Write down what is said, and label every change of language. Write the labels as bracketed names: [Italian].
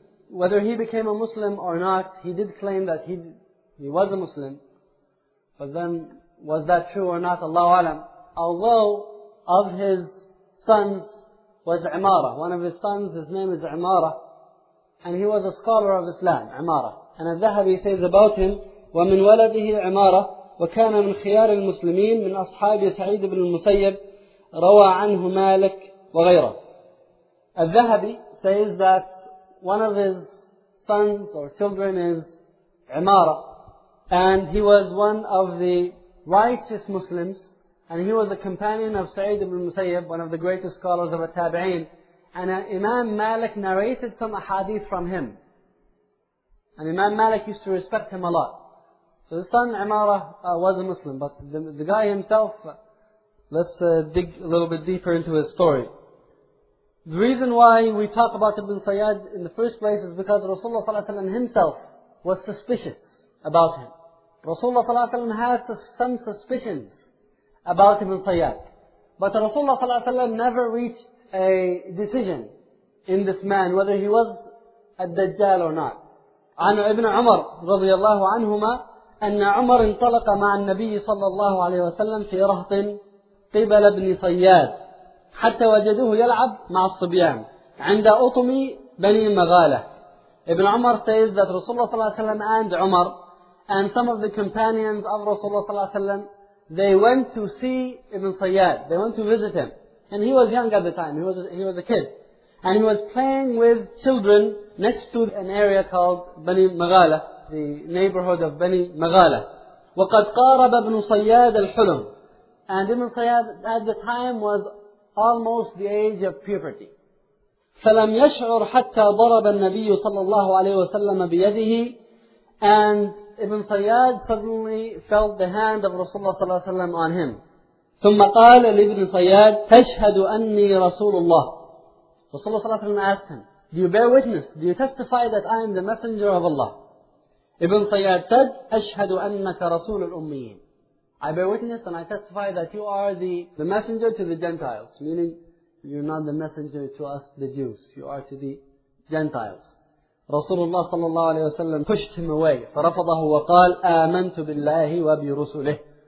[English] Whether he became a Muslim or not, he did claim that he was a Muslim. But then, was that true or not? Allahu alam. Although, of his sons was Imara. One of his sons, his name is Imara. And he was a scholar of Islam, Imara. And al-Zahabi says about him, [Arabic] وَمِنْ وَلَدِهِ عِمَارَةَ وَكَانَ مِنْ خِيَارِ الْمُسْلِمِينَ مِنْ أَصْحَابِ سَعِيدِ بْنِ الْمُسَيِّبِ رَوَى عَنْهُ مَالِكَ وَغَيْرَهُ. [English] الذهبي says that one of his sons or children is Imara, and he was one of the righteous Muslims, and he was a companion of Sa'id ibn al-Musayyib, one of the greatest scholars of the Tabi'een, and Imam Malik narrated some ahadith from him. And Imam Malik used to respect him a lot. So the son, Imara, was a Muslim. But the guy himself, let's dig a little bit deeper into his story. The reason why we talk about Ibn Sayyad in the first place is because Rasulullah sallallahu alayhi wa sallam himself was suspicious about him. Rasulullah sallallahu alayhi wa sallam had some suspicions about Ibn Sayyad. But Rasulullah sallallahu alayhi wa sallam never reached a decision in this man, whether he was a Dajjal or not. [Arabic] عن ابن عمر رضي الله عنهما أن عمر انطلق مع النبي صلى الله عليه وسلم في رهط قبل ابن صياد حتى وجدوه يلعب مع الصبيان عند أطمي بني مغالة. [English] ابن عمر says that Rasulullah صلى الله عليه وسلم and عمر and some of the companions of Rasulullah صلى الله عليه وسلم, they went to see ابن صياد. They went to visit him. And he was young at the time. He was a kid. And he was playing with children next to an area called Bani Maghala, the neighborhood of Bani Maghala. [Arabic] وَقَدْ قَارَبَ ابْنُ صَيَّادَ الْحُلُمُ. [English] And Ibn Sayyad at the time was almost the age of puberty. [Arabic] فَلَمْ يَشْعُرْ حَتَّى ضَرَبَ النَّبِيُّ صَلَّى اللَّهُ عَلَيْهُ وَسَلَّمَ بِيَدِهِ. [English] And Ibn Sayyad suddenly felt the hand of Rasulullah صلى الله عليه وسلم on him. [Arabic] ثُمَّ قَالَ لِبْنِ صَيَّاد تَشْهَدُ أَنِّي رَسُولُ اللَّهِ. [English] Rasulullah صلى الله عليه وسلم asked him, do you bear witness? Do you testify that I am the messenger of Allah? Ibn Sayyad said, [Arabic] أشهد أنك رسول الأميين. [English] I bear witness and I testify that you are the messenger to the Gentiles. Meaning, you're not the messenger to us, the Jews. You are to the Gentiles. Rasulullah صلى الله عليه وسلم pushed him away. [Arabic] فرفضه وقال, آمنت بالله وبرسله.